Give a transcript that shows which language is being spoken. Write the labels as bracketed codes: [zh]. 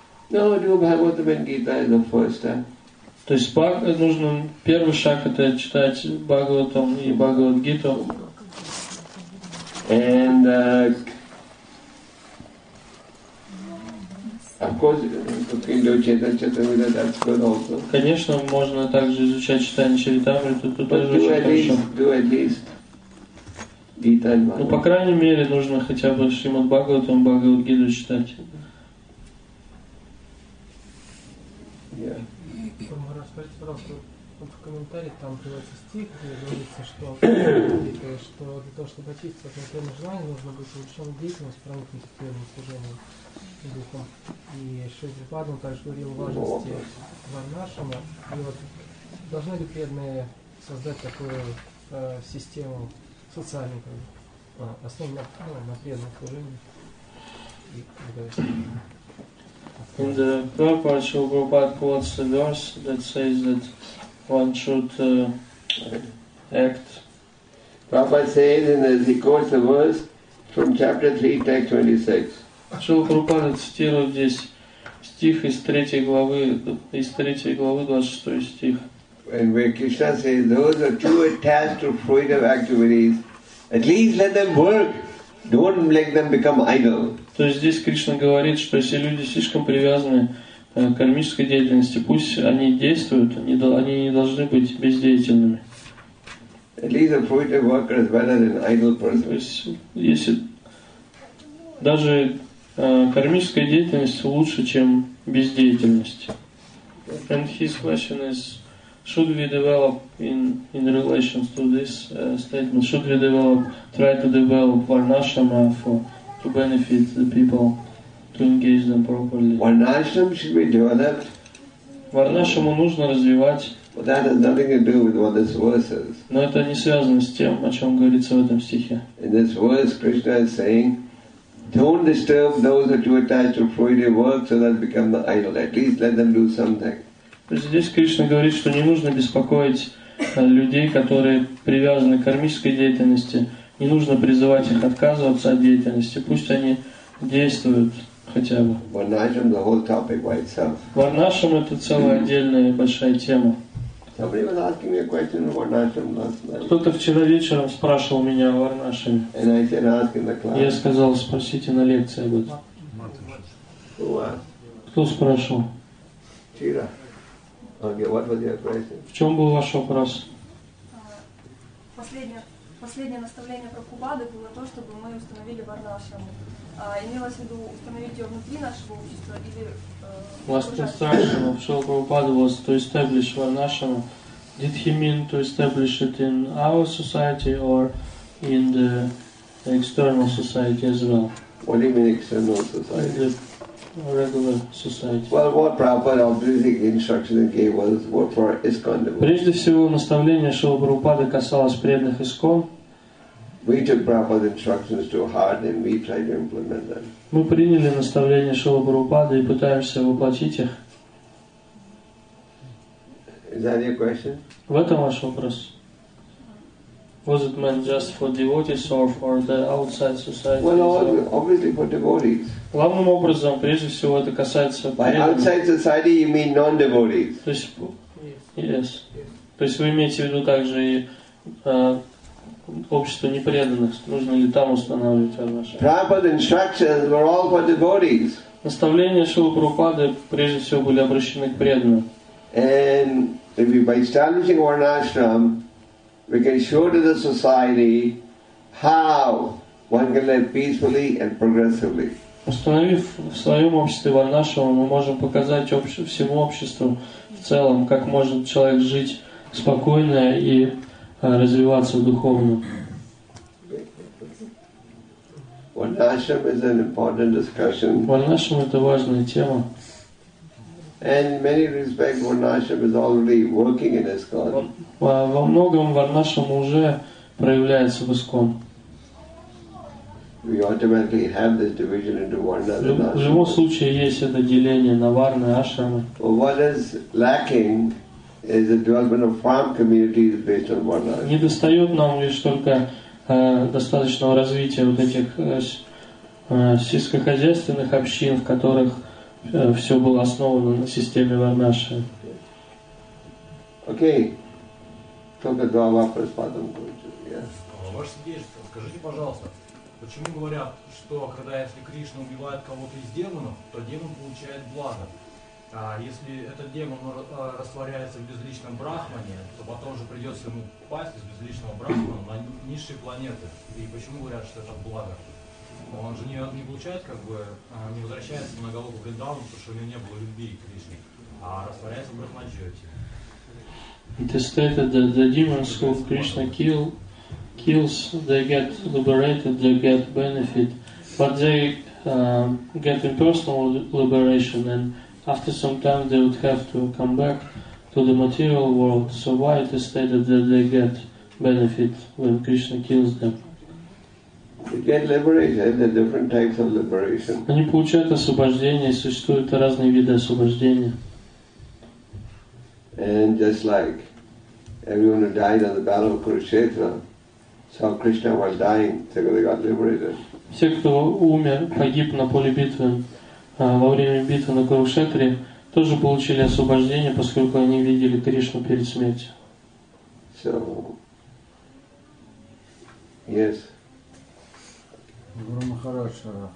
[en] No, do Bhagavatam and Gita in the first time. [ru] То есть нужно первый шаг это читать Бхагаватам и Бхагавад Гиту. [en] And of course, you can do Chaitanya Charitamrita, that's good also. [ru] Конечно, можно также изучать Chaitanya Charitamrita, тут тоже очень хорошо. [en] Do at least Gita and Bhagavad. [ru] Ну, по крайней мере, нужно хотя бы Шримад Бхагаватам, Бхагавад Гиту читать. [en] Yeah. [ru] Расскажите, пожалуйста, в комментариях там приводится стих, где говорится, что для того, чтобы очиститься от материальных желаний, нужно быть лучшим гитом, исправить материальное служение. Духом. И Шри Падма также говорил о важности варнашрама. И вот должны ли преданные создать такую систему социальную, основанную на преданном служении? И, [en] In the proper Shri Prabhupada quotes a verse that says that one should act. Prabhupada says in the course of verse from chapter 3, text 26. [ru] Шрила Прабхупада цитирует здесь стих из 3 главы, 26 стих. [en] And where Krishna says, those are too attached to fruitive activities, at least let them work. Don't let them become idle. [ru] То есть здесь Кришна говорит, что если люди слишком привязаны к кармической деятельности, пусть они действуют, они не должны быть бездеятельными. [en] At least a fruitive worker is better than idle person. [ru] То есть если даже кармическая деятельность лучше, чем бездеятельность. [en] And his question is, should we develop in relation to this statement? Should we try to develop Varnashrama to benefit the people, to engage them properly? Varnashram should be developed. [ru] Varnashramu нужно развивать. [en] But that has nothing to do with what this verse says. [ru] Но это не связано с тем, о чем говорится в этом стихе. [en] In this verse, Krishna is saying, don't disturb those that you attach to fruitive work so that become the idol. At least let them do something. [ru] Здесь Кришна говорит, что не нужно беспокоить людей, которые привязаны к кармической деятельности. Не нужно призывать их отказываться от деятельности. Пусть они действуют хотя бы. [en] Varnashram, the whole topic by itself. [ru] Varnashram – это целая отдельная большая тема. [en] Somebody was asking me a question about Varnashram last night. [ru] Кто-то вчера вечером спрашивал меня о Варнашраме. [en] And I said, ask in the class. [ru] Я сказал, спросите на лекции об этом. Кто спрашивал? [en] Чира. Okay, what was your question? [ru] В чем был ваш вопрос? Последнее наставление Прабхупады было то, чтобы мы установили Варнашраму. Имелось в виду установить ее внутри нашего общества или... [en] Last instruction of Srila Prabhupada was to establish Varnashrama. Did he mean to establish it in our society or in the external society as well? What do you mean external society? In the regular society. Well, what Prabhupada obviously instruction he gave was what for ISKCON devotees. [ru] Прежде всего, наставление Шрилы Прабхупады касалось преданных ISKCON. [en] We took Prabhupada's instructions to heart and we tried to implement them. [ru] Мы приняли наставления Шрилы Прабхупады и пытаемся воплотить их. [en] Is that your question? [ru] В этом ваш вопрос. [en] Was it meant just for devotees or for the outside society? Well, obviously for devotees. [ru] Главным образом, прежде всего, это касается... [en] By outside society you mean non-devotees. [ru] То есть, [en] yes. [ru] То есть вы имеете в виду также и... общество непреданных, нужно ли там устанавливать Варнашрам? [en] Prabhupada's instructions were all for devotees. [ru] Наставления Шрилы Прабхупады прежде всего были обращены к преданным. [en] And if we, by establishing Varnashram, we can show to the society how one can live peacefully and progressively. [ru] Установив в своем обществе Варнашрама, мы можем показать всему обществу в целом, как может человек жить спокойно и развиваться духовно. [en] Varnashram is an important discussion. [ru] Varnashram – это важная тема. [en] And in many respects, Varnashram is already working in ISKCON. [ru] Во многом Varnashram уже проявляется в ISKCON. [en] We automatically have this division into Varna. [ru] В любом случае есть это деление на Варны, Ашрамы. [en] What is lacking? Is the development of farm communities based on Varnashram? [ru] Недостает нам лишь только достаточного развития вот этих сельскохозяйственных общин, в которых все было основано на системе Варнашрама. [en] Okay. [ru] Только два вопроса потом. Ваше свидетельство, скажите, пожалуйста, почему говорят, что когда если Кришна убивает кого-то из демонов, то демон получает благо? Если этот демон растворяется в безличном брахмане, то потом же придется ему пасть из безличного брахмана на низшие планеты. И почему говорят, что это благо? Он же не получает, как бы, не возвращается на голову Вриндавану, потому что у него не было любви к Кришне, а растворяется в брахманджоте. [en] It is stated that the demons who Krishna kills, they get liberated, they get benefit, but they get impersonal liberation and after some time they would have to come back to the material world. So why it is stated that they get benefit when Krishna kills them? They get liberated, there are different types of liberation. [ru] Они получают освобождение, существуют разные виды освобождения. [en] And just like everyone who died on the battle of Kurukshetra saw Krishna while dying, so they got liberated. [ru] Все, кто умер, погиб на поле битвы, во время битвы на Курукшетре тоже получили освобождение, поскольку они видели Кришну перед смертью. [en] So, yes. [ru] Гуру Махарадшара.